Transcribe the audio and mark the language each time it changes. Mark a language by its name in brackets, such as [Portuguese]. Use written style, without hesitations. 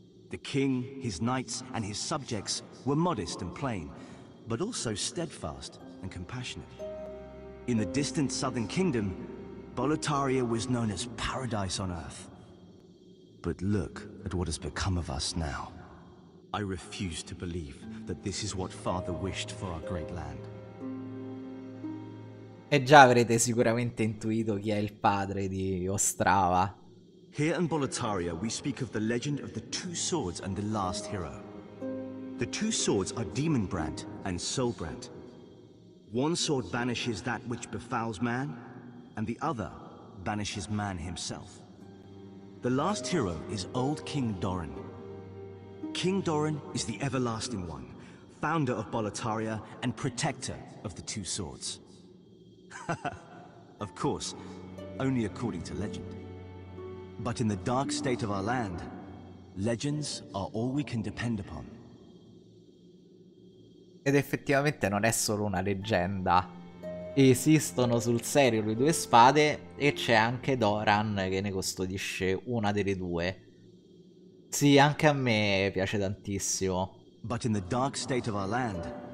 [English] The king, his knights, and his subjects were modest and plain, but also steadfast and compassionate. In the distant southern kingdom, Boletaria was known as paradise on earth. But look at what has become of us now. I refuse to believe that this is what Father wished for our great land. [Italian] E già avrete sicuramente intuito chi è il padre di Ostrava. [English] Here in Boletaria we speak of the legend of the two swords and the last hero. The two swords are Demonbrand and Soulbrand. One sword banishes that which befouls man, and the other banishes man himself. The last hero is old King Doran. King Doran is the everlasting one, founder of Boletaria and protector of the two swords. Of course, only according to legend. But in the dark state of our land, legends are all we can depend upon. [Italian] Ed effettivamente non è solo una leggenda. Esistono sul serio le due spade e c'è anche Doran che ne custodisce una delle due. Sì, anche a me piace tantissimo. [English] But in the dark state of our land,